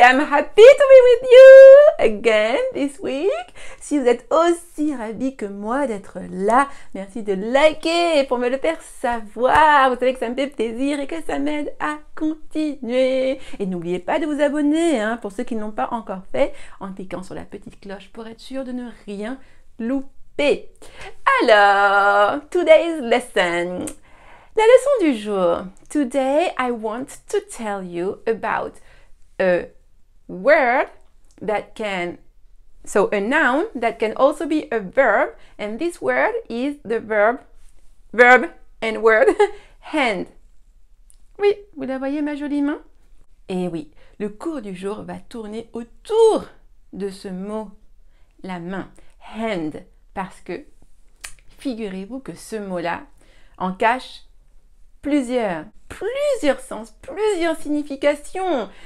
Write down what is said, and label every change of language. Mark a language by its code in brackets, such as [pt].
[en] I'm happy to be with you again this week. [fr] Si vous êtes aussi ravis que moi d'être là, merci de liker pour me le faire savoir. Vous savez que ça me fait plaisir et que ça m'aide à continuer. Et n'oubliez pas de vous abonner hein, pour ceux qui ne l'ont pas encore fait en cliquant sur la petite cloche pour être sûr de ne rien louper. Alors, [en] today's lesson. [fr] La leçon du jour. [en] Today, I want to tell you about a word that can, so a noun that can also be a verb. And this word is the verb and word, hand. [fr] Oui, vous la voyez ma jolie main? Eh oui, le cours du jour va tourner autour de ce mot, la main, hand. Parce que figurez-vous que ce mot-là en cache plusieurs sens, plusieurs significations.